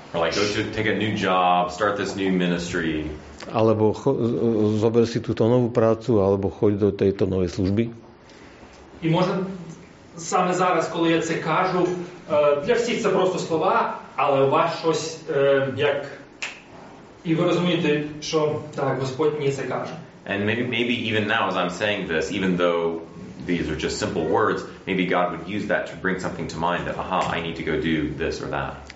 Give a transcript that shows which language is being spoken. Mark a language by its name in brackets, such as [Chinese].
[English] Like, go take a new job, start this new ministry. [Rusyn] Або зобер си туто нову працю, або ходь до тієї нової служби. [Ukrainian] І може саме зараз, коли я це кажу, для всіх це просто слова, але у вас щось як... І ви розумієте, що так, Господь мені це каже. [English] And maybe even now as I'm saying this, even though these are just simple words, maybe God would use that to bring something to mind that, aha, I need to go do this or that.